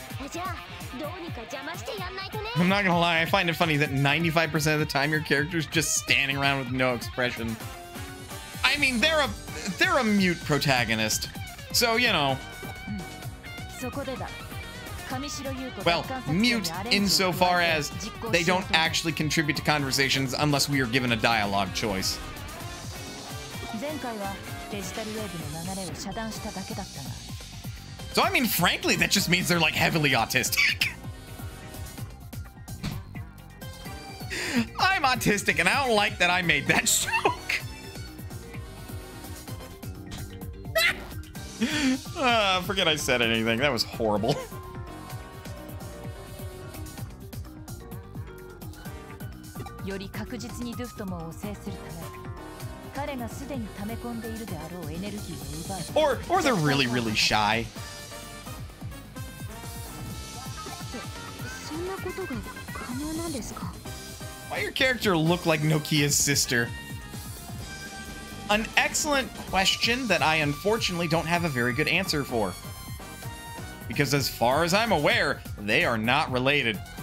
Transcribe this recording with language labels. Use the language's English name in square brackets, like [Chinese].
[Japanese] じゃあどうにか邪魔してやんないとね。 [English] I'm not gonna lie, I find it funny that 95% of the time your character's just standing around with no expression. I mean, they're a mute protagonist. So, you know. [Japanese] そこでだ。上白優子、 [English] well, mute insofar as they don't actually contribute to conversations unless we are given a dialogue choice. [Japanese] 前回はデジタルウェーブの流れを遮断しただけだったが。 [English] So I mean, frankly, that just means they're like heavily autistic. I'm autistic and I don't like that I made that joke. forget I said anything. That was horrible. [Japanese] より確実にドゥフトモンを制するため、彼がすでに溜め込んでいるであろうエネルギーを奪う。 [English] Or they're really, really shy. [Japanese] そんなことが可能なんですか? [English] Why your character look like Nokia's sister? An excellent question that I unfortunately don't have a very good answer for. Because as far as I'm aware, they are not related.